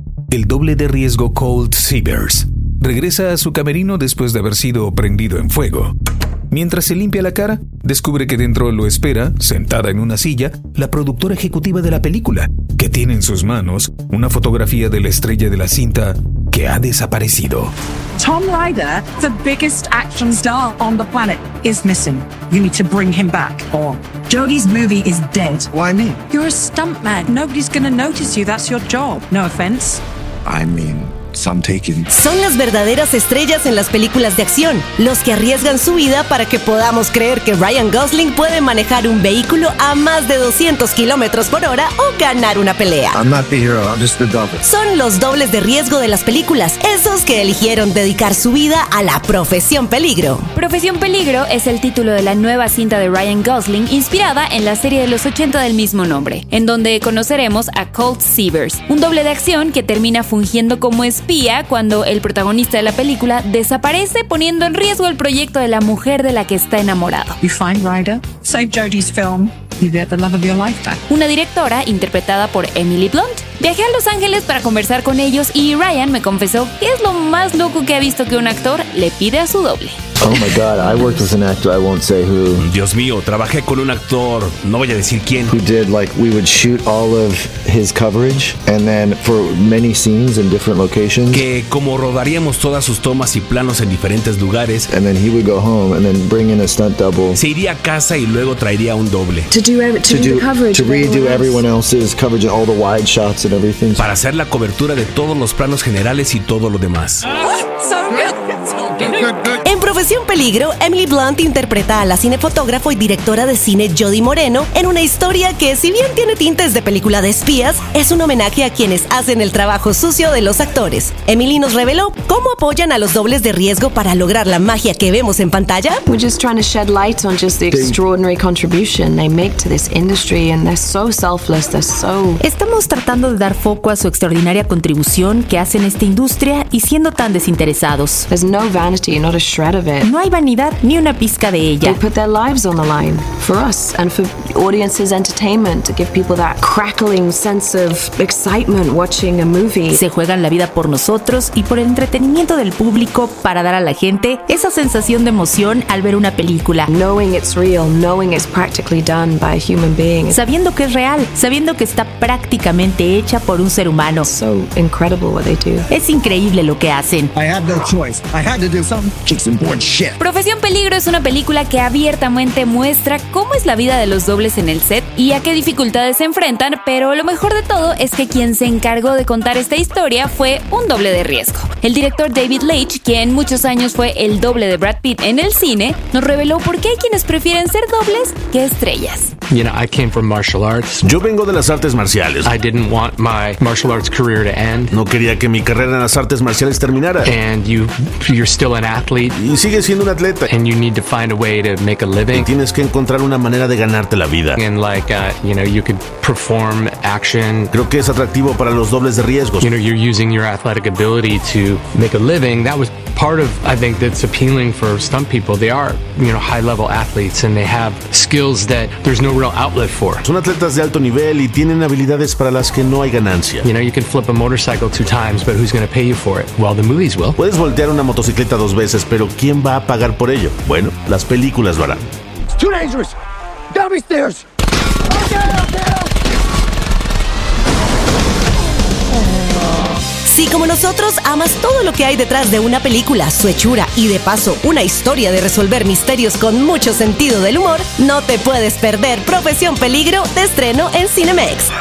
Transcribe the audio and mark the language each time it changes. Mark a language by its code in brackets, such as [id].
[es] El doble de riesgo Cold Seavers regresa a su camerino después de haber sido prendido en fuego. Mientras se limpia la cara, descubre que dentro lo espera, sentada en una silla, la productora ejecutiva de la película, que tiene en sus manos una fotografía de la estrella de la cinta que ha desaparecido. [en] Tom Ryder, the biggest action star on the planet, is missing. You need to bring him back, or Jogi's movie is dead. Why me? You're a stuntman. Nobody's gonna notice you. That's your job. No offense. I mean, some taking. [es] Son las verdaderas estrellas en las películas de acción, los que arriesgan su vida para que podamos creer que Ryan Gosling puede manejar un vehículo a más de 200 kilómetros por hora o ganar una pelea. [en] I'm not the hero, I'm just the double. [es] Son los dobles de riesgo de las películas, esos que eligieron dedicar su vida a la profesión peligro. Profesión Peligro es el título de la nueva cinta de Ryan Gosling, inspirada en la serie de los 80 del mismo nombre, en donde conoceremos a Colt Seavers, un doble de acción que termina fungiendo como espía cuando el protagonista de la película desaparece, poniendo en riesgo el proyecto de la mujer de la que está enamorado. [en] You find Ryder, save Jodie's film, you get the love of your life back. [es] Una directora interpretada por Emily Blunt. Viajé a Los Ángeles para conversar con ellos y Ryan me confesó que es lo más loco que ha visto que un actor le pide a su doble. [en] Oh my God, I worked with an actor, I won't say who. [es] Dios mío, trabajé con un actor, no voy a decir quién. [en] Who did, like, we would shoot all of his coverage and then for many scenes in different locations. [es] Que como rodaríamos todas sus tomas y planos en diferentes lugares. [en] And then he would go home and then bring in a stunt double. [es] Se iría a casa y luego traería un doble. [en] To redo everyone else's coverage and all the wide shots and everything. [es] Para hacer la cobertura de todos los planos generales y todo lo demás. En Profesión Peligro, Emily Blunt interpreta a la cinefotógrafo y directora de cine Jodie Moreno en una historia que, si bien tiene tintes de película de espías, es un homenaje a quienes hacen el trabajo sucio de los actores. Emily nos reveló cómo apoyan a los dobles de riesgo para lograr la magia que vemos en pantalla. [en] We're just trying to shed light on just the extraordinary contribution they make to this industry, and they're so selfless, they're so. [es] Estamos tratando de dar foco a su extraordinaria contribución que hacen esta industria y siendo tan desinteresados. [en] There's no vanity, not a shred of it. [es] No hay vanidad ni una pizca de ella. [en] They put their lives on the line for us and for audiences' entertainment, to give people that crackling sense of excitement watching a movie. [es] Se juegan la vida por nosotros y por el entretenimiento del público para dar a la gente esa sensación de emoción al ver una película. [en] Knowing it's real, knowing it's practically done by a human being. [es] Sabiendo que es real, sabiendo que está prácticamente hecha por un ser humano. [en] So incredible what they do. [es] Es increíble lo que hacen. [en] I had no choice. I had to do something. Some important shit. [es] Profesión Peligro es una película que abiertamente muestra cómo es la vida de los dobles en el set y a qué dificultades se enfrentan, pero lo mejor de todo es que quien se encargó de contar esta historia fue un doble de riesgo. El director David Leitch, quien muchos años fue el doble de Brad Pitt en el cine, nos reveló por qué hay quienes prefieren ser dobles que estrellas. [en] You know, I came from martial arts. [es] Yo vengo de las artes marciales. [en] I didn't want my martial arts career to end. [es] No quería que mi carrera en las artes marciales terminara. [en] And you're still an athlete. [es] Y sigues siendo un atleta. [en] And you need to find a way to make a living. [es] Y tienes que encontrar una manera de ganarte la vida. [en] And like, you know, you could perform action. [es] Creo que es atractivo para los dobles de riesgos. [en] You know, you're using your athletic ability to make a living. That was part of, I think, that's appealing for stunt people. They are, you know, high-level athletes, and they have skills that there's no real outlet for. [es] Son atletas de alto nivel y tienen habilidades para las que no hay ganancia. [en] You know, you can flip a motorcycle 2 times, but who's going to pay you for it? Well, the movies will. [es] Puedes voltear una motocicleta 2 veces, pero ¿quién va a pagar por ello? Bueno, las películas lo harán. [en] It's too dangerous. Down these stairs. [es] Si como nosotros amas todo lo que hay detrás de una película, su hechura y de paso una historia de resolver misterios con mucho sentido del humor, no te puedes perder Profesión Peligro de estreno en Cinemex.